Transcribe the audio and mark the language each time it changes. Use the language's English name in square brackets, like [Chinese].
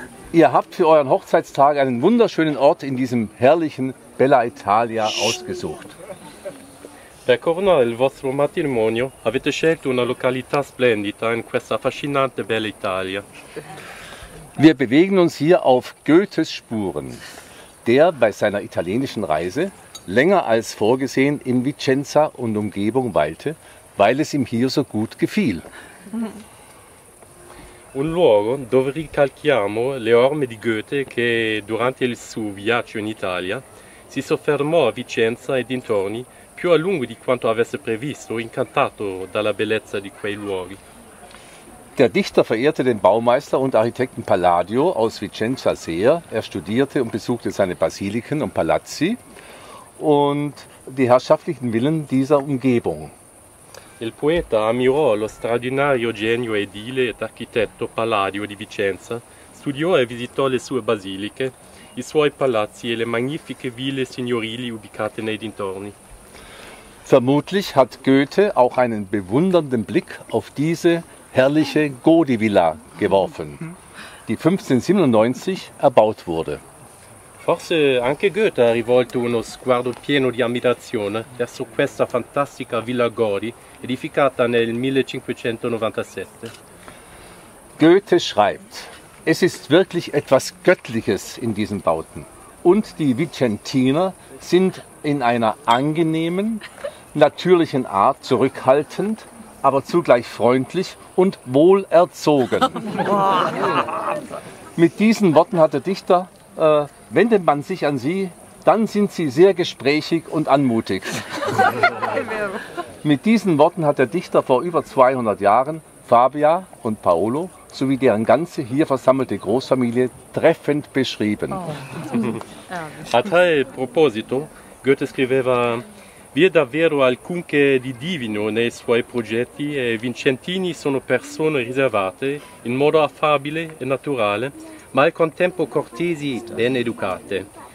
[German] Ihr habt für euren Hochzeitstag einen wunderschönen Ort in diesem herrlichen Bella Italia ausgesucht. [Italian] Per coronare il vostro matrimonio avete scelto una località splendida in questa affascinante Bella Italia. [German] Wir bewegen uns hier auf Goethes Spuren, der bei seiner italienischen Reise länger als vorgesehen in Vicenza und Umgebung weilte, weil es ihm hier so gut gefiel. [Italian] Un luogo dove ricalchiamo le orme di Goethe che durante il suo viaggio in Italia si soffermò a Vicenza e dintorni più a lungo di quanto avesse previsto, incantato dalla bellezza di quei luoghi. [German] Der Dichter verehrte den Baumeister und Architekten Palladio aus Vicenza sehr. Er studierte und besuchte seine Basiliken und Palazzi und die herrschaftlichen Villen dieser Umgebung. [Italian] Il poeta ammirò lo straordinario genio edile ed architetto Palladio di Vicenza, studiò e visitò le sue basiliche, i suoi palazzi e le magnifiche ville signorili ubicate nei dintorni. [German] Vermutlich hat Goethe auch einen bewundernden Blick auf diese herrliche Godi-Villa geworfen, die 1597 erbaut wurde. [Italian] Forse anche Goethe ha rivolto uno sguardo pieno di ammirazione verso questa fantastica Villa Godi, edificata nel 1597. [German] Goethe schreibt: Es ist wirklich etwas Göttliches in diesen Bauten. Und die Vicentiner sind in einer angenehmen, natürlichen Art zurückhaltend, aber zugleich freundlich und wohlerzogen. Mit diesen Worten hat der Dichter, wendet man sich an sie, dann sind sie sehr gesprächig und anmutig. Mit diesen Worten hat der Dichter vor über 200 Jahren Fabia und Paolo sowie deren ganze hier versammelte Großfamilie treffend beschrieben. Oh. [Italian] A tal proposito, Goethe scriveva: Vi è davvero alcunché di divino nei suoi progetti e i Vicentini sono persone riservate, in modo affabile e naturale, ma al contempo cortesi e ben educate.